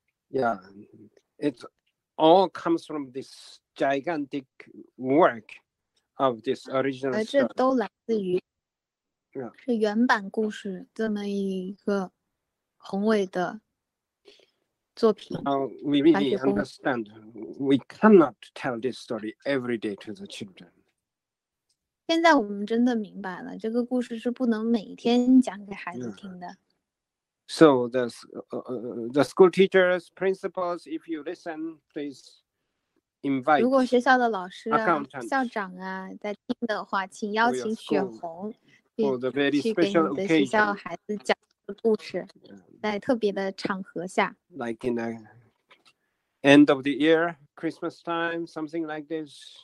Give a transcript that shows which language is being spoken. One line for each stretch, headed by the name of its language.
English: Yeah, it all comes from this. Gigantic work of this original story.
Chinese: 这都来自于、 yeah. 是原版故事这么一个宏伟的作品。
English: We really understand. We cannot tell this story every day to the children.
Chinese: 现在我们真的明白了，这个故事是不能每天讲给孩子听的。 Yeah.
English: So the school teachers, principals, if you listen, please.
Chinese: 如果学校的老师啊、校长啊在听的话，请邀请雪红去给你的学校孩子讲的故事，在特别的场合下。
English: Like in the end of the year, Christmas time, something like this.